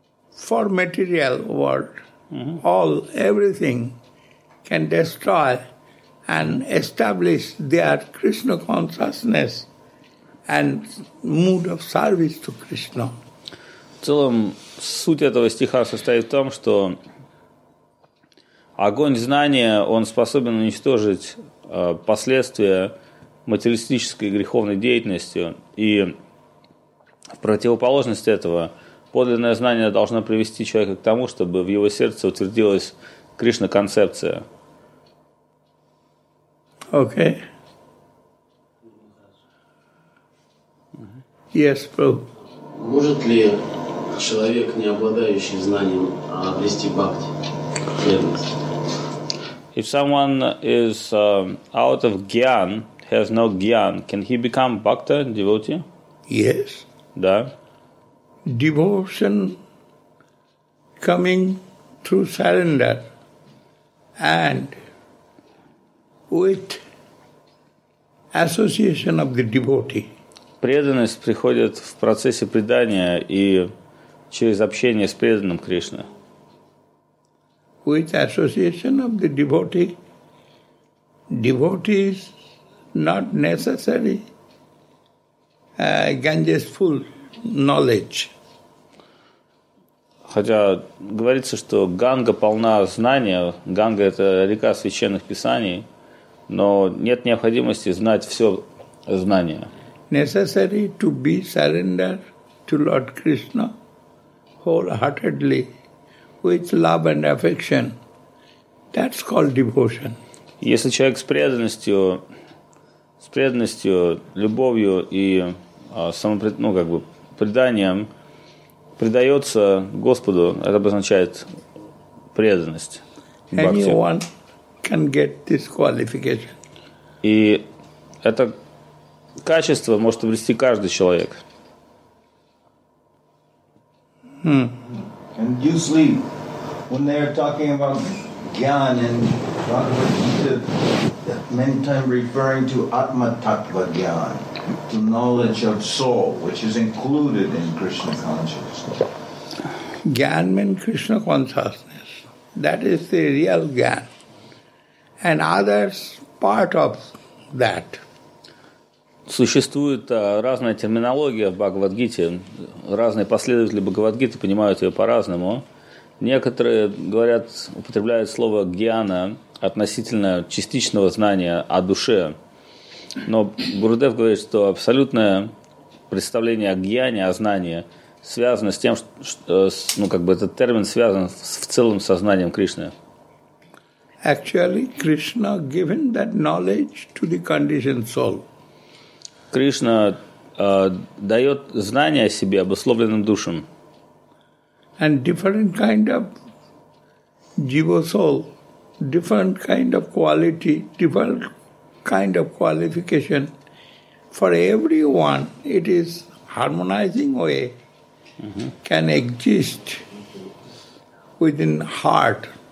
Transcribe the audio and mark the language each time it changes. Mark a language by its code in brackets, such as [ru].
[en] For material world, everything can destroy and establish their Krishna consciousness and mood of service to Krishna. [ru] В целом, суть этого стиха состоит в том, что огонь знания, он способен уничтожить последствия материалистической греховной деятельности, и в противоположность этого подлинное знание должно привести человека к тому, чтобы в его сердце утвердилась Кришна-концепция. Окей. [en] Okay. Yes, Prabhu. [ru] Может ли человек, не обладающий знанием, обрести бхакти, преданность? [en] If someone is out of gyan, has no gyan, can he become bhakta, devotee? Yes. [ru] Да. [en] Devotion coming through surrender and with association of the devotee. [ru] Преданность приходит в процессе предания и через общение с преданным Кришна. [en] With association of the devotee, devotee is not necessary Ganges full knowledge. [ru] Хотя говорится, что Ганга полна знания, Ганга – это река священных писаний, но нет необходимости знать все знания. [en] Necessary to be surrendered to Lord Krishna wholeheartedly, with love and affection. That's called devotion. [ru] Если человек с преданностью, любовью и преданием предается Господу, это обозначает преданность. [en] Anyone can get this qualification. [ru] И это качество может обрести каждый человек. [en] And usually, when they are talking about jnana and Bhagavad Gita, many times referring to atma-tattva jnana, the knowledge of soul, which is included in Krishna consciousness. Jnana means Krishna consciousness. That is the real jnana. And others, part of that. [ru] Существует разная терминология в Бхагавад-гите. Разные последователи Бхагавад-гиты понимают ее по-разному. Некоторые говорят, употребляют слово «гьяна» относительно частичного знания о душе. Но Гурудев говорит, что абсолютное представление о гьяне, о знании, связано с тем, что этот термин связан в целом со знанием Кришны. [en] Actually, Krishna given that knowledge to the conditioned soul. [ru] Кришна дает знание о себе обусловленным душам. [en] And different kind of jiva soul, different kind of quality, different kind of qualification. For everyone, it is harmonizing way can exist within heart.